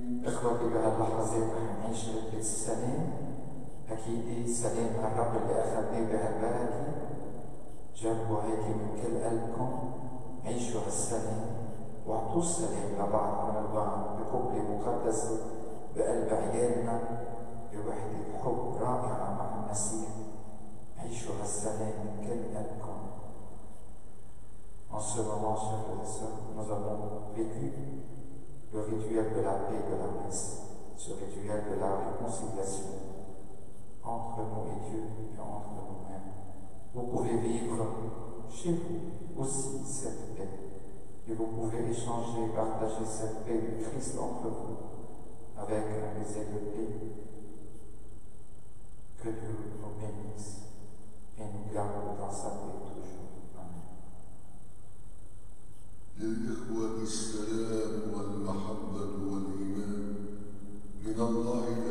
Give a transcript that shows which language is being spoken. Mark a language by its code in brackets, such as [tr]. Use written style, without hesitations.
[ar] إخوتي بهاللحظة نعيش لحظة السلام، أكيد سلام الرب اللي أخذني بهالبركة، جابوا هيك من كل قلبكم، عيشوا هالسلام واعطوا السلام لبعضكم البعض بكبرى مقدسة بقلب عيالنا بوحدة حب رائعة مع المسيح. عيشوا هالسلام من كل قلبكم. [fr] En ce moment, chers et sœurs, nous avons vécu le rituel de la paix de la messe, ce rituel de la réconciliation entre nous et Dieu et entre nous-mêmes. Vous pouvez vivre chez vous aussi cette paix, et vous pouvez échanger, partager cette paix du Christ entre vous avec les élevés. Que Dieu nous bénisse et nous garde dans sa paix toujours. [ar] يا إخوة، السلام والمحبة والإيمان من الله